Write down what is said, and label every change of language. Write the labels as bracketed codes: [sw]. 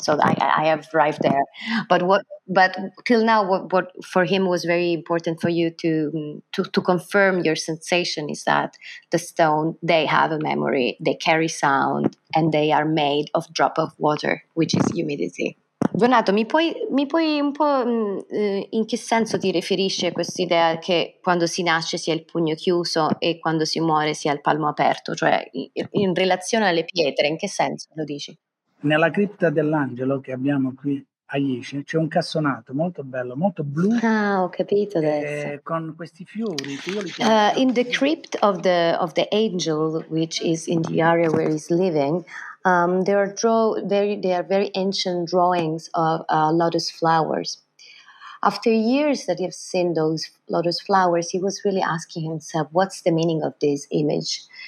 [en] So I have arrived there. But till now, what for him was very important for you to confirm your sensation is that the stone, they have a memory, they carry sound, and they are made of drop of water, which is humidity. [it] Donato, mi puoi un po' in che senso ti riferisci a questa idea che quando si nasce sia il pugno chiuso e quando si muore sia il palmo aperto, cioè in relazione alle pietre, in che senso lo dici? Nella cripta dell'angelo che abbiamo qui a Iesi c'è un cassonato molto bello, molto blu. Ah, ho capito adesso. Con questi fiori che io li chiamo. [en] In the crypt of the angel, which is in the area where he's living. They are very ancient drawings of lotus flowers. After years that he's seen those lotus flowers, he was really asking himself, what's the meaning of this image?